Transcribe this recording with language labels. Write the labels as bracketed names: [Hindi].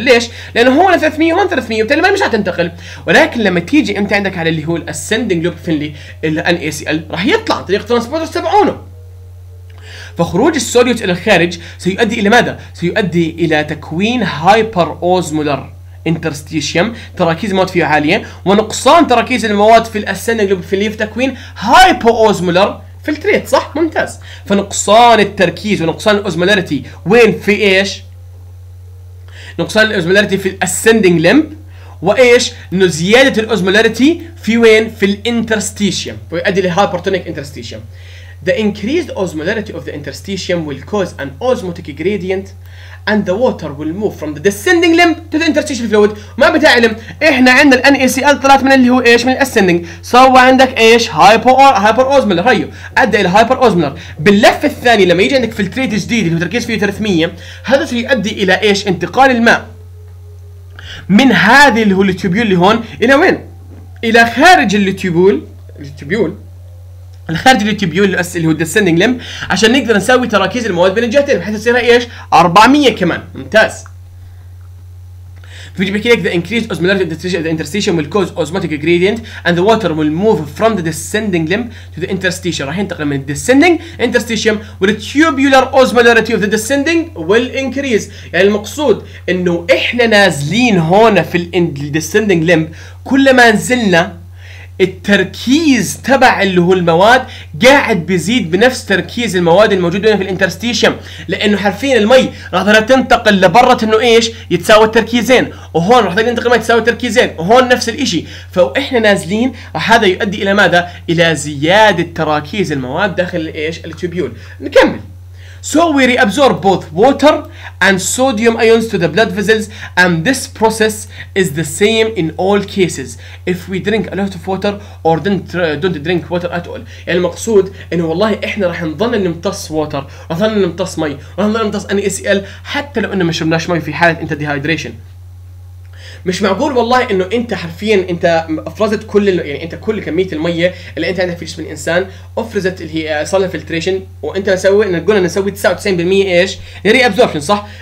[Arabic] ليش؟ لانه هون 300 هون 300 وبالتالي ما مش هتنتقل، ولكن لما تيجي انت عندك على اللي هو الاسندنج لوب فينلي الان اي سي ال راح يطلع طريق ترانسبورتر تبعونه، فخروج السوليوت الى الخارج سيؤدي الى ماذا؟ سيؤدي الى تكوين هايبر اوزمولر انترستيشيوم تراكيز المواد فيه عاليه ونقصان تراكيز المواد في الاسندنج لوب في الليف تكوين هايبو اوزمولر فلتريت صح؟ ممتاز. فنقصان التركيز ونقصان الاوزمولاريتي وين في ايش؟ نقصان الاوزمولاريتي في الاسندنج لمب وايش؟ انه زياده الاوزمولاريتي في وين؟ في الانترستيشيوم ويؤدي لهايبرتونيك انترستيشيوم. [English] The increased osmolarity of the interstitium will cause an osmotic gradient and the water will move from the descending limb to the interstitial fluid. [Arabic] ما بتعلم احنا عندنا ال NACL طلعت من اللي هو ايش؟ من الاسندنج، سوى عندك ايش؟ هايبر اوزمولر، هيو ادى الى هايبر اوزمولر. باللف الثاني لما يجي عندك فلتريت جديد اللي هو تركيز فيه 300 هذا سيؤدي الى ايش؟ انتقال الماء من هذه اللي هو التيوبيول اللي هون الى وين؟ الى خارج التيوبيول الخارج التيوبيول اللي هو الديسندنج لمب عشان نقدر نسوي تراكيز المواد بين الجهتين بحيث تصير ايش؟ 400 كمان. ممتاز. فيجي بيحكي لك [English] the increased osmolarity of the interstitium will cause osmotic gradient and the water will move from the descending limb to the interstitium. [Arabic] راح ينتقل من [English] descending interstitium with the tubular osmolarity of the descending will increase. [Arabic] يعني المقصود انه احنا نازلين هون في ال descending limb كل ما نزلنا التركيز تبع اللي هو المواد قاعد بيزيد بنفس تركيز المواد الموجودة في الانترستيشيوم، لأنه حرفين المي راح تنتقل لبرة إنه إيش يتساوي التركيزين، وهون راح تنتقل المي يتساوي التركيزين، وهون نفس الإشي. فإحنا نازلين هذا يؤدي إلى ماذا؟ إلى زيادة تراكيز المواد داخل إيش التوبيول. نكمل. [English] So we reabsorb both water and sodium ions to the blood vessels, and this process is the same in all cases. If we drink a lot of water or don't drink water at all. [Arabic] يعني المقصود إنه والله إحنا راح نظل نمتص water، راح نظل نمتص مي، راح نظل نمتص NaCl حتى لو إنه مشربناش مي في حالة أنت dehydration. مش معقول والله انه انت حرفيا انت افرزت كل يعني انت كل كميه الميه اللي انت عندك في جسم الانسان افرزت اللي هي صار لها فلتريشن وانت مسوي ان قلنا نسوي 99% ايش ري ابزوربشن صح.